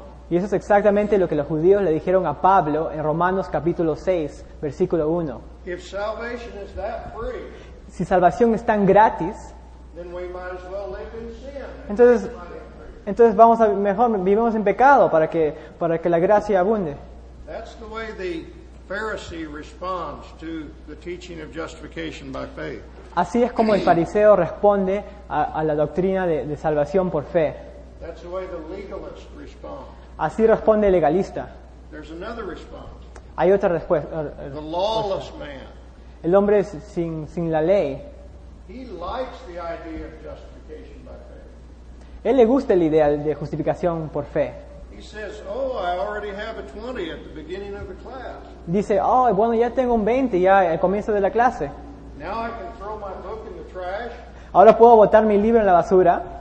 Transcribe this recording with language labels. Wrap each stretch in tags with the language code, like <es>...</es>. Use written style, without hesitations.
<es>Y eso es exactamente lo que los judíos le dijeron a Pablo en Romanos capítulo 6, versículo 1.</es> <en>If salvation is that free,</en> <es>si salvación es tan gratis,</es> <en>then we might as well live in sin.</en> <es>Entonces vamos a mejor vivimos en pecado para que la gracia abunde.</es> <en>That's the way the Pharisee responds to the teaching of justification by faith.</en> <es>Así es como el fariseo responde a la doctrina de salvación por fe.</es> <en>That's the way the legalist responds.</en> <es>Así responde el legalista.</es> <en>There's another response.</en> <es>Hay otra respuesta.</es> <en>The lawless man.</en> <es>El hombre es sin la ley.</es> <en>He likes the idea of justification by faith.</en> <es>Él le gusta la idea de justificación por fe.</es> <en>He says, oh, I already have a 20 at the beginning of the class.</en> <es>Dice, oh, bueno, ya tengo un 20 ya al comienzo de la clase.</es> <en>Now I can throw my book in the trash.</en> <es>Ahora puedo botar mi libro en la basura.</es>